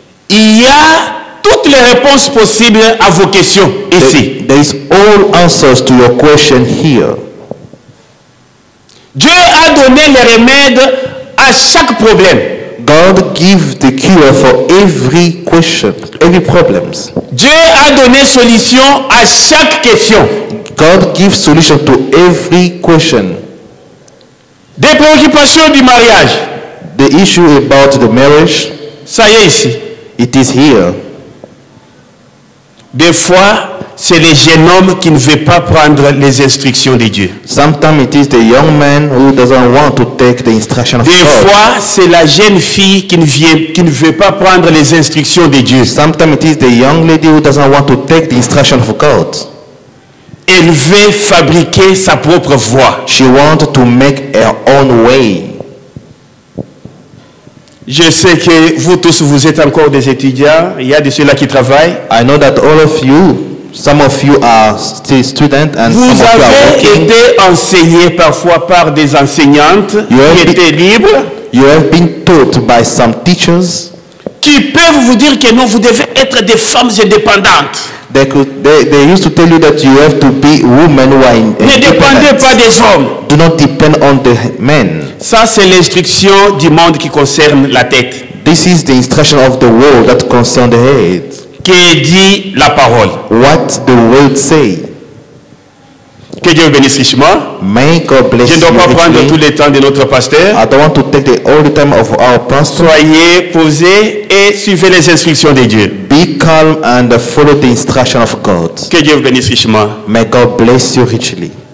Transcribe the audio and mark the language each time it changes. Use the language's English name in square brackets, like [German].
[French] Il y a toutes les réponses possibles à vos questions ici. [English] There is all answers to your question here. [French] Dieu a donné les remèdes à chaque problème. [English] God give the cure for every question, every problems. [French] Dieu a donné solution à chaque question. [English] God give solution to every question. [French] Des préoccupations du mariage. [English] The issue about the marriage. [French] Ça y est ici. [English] It is here. [French] Des fois, c'est le jeune homme qui ne veut pas prendre les instructions de Dieu. [English] Sometimes it is the young man who doesn't want to take the instructions of God. [French] Des fois, c'est la jeune fille qui ne veut pas prendre les instructions de Dieu. [English] Sometimes it is the young lady who doesn't want to take the instructions of God. [French] Elle veut fabriquer sa propre voie. [English] She wants to make her own way. [French] Je sais que vous tous, vous êtes encore des étudiants. Il y a de ceux-là qui travaillent. [English] I know that all of you, some of you are still students and [French] vous [English] some of you are working. [French] Vous avez été enseigné parfois par des enseignantes qui étaient libres. [English] You have been taught by some teachers. [French] Qui peuvent vous dire que non, vous devez être des femmes indépendantes. [English] They used to tell you that you have to be women who are independent. [French] Ne dépendez pas des hommes. [English] Do not depend on the men. [French] Ça c'est l'instruction du monde qui concerne la tête. [English] This is the instruction of the world that concerns the head. [French] Que dit la parole? [English] What the world say? [French] Que Dieu bénisse richement. [English] May God bless you. [French] Je ne dois pas prendre tout le temps de notre pasteur. [English] I don't want to take all the time of our pastor. [French] Soyez posés et suivez les instructions de Dieu. [English] Be calm and follow the instruction of God. [French] Que Dieu vous bénisse richement. [English] May God bless you richly.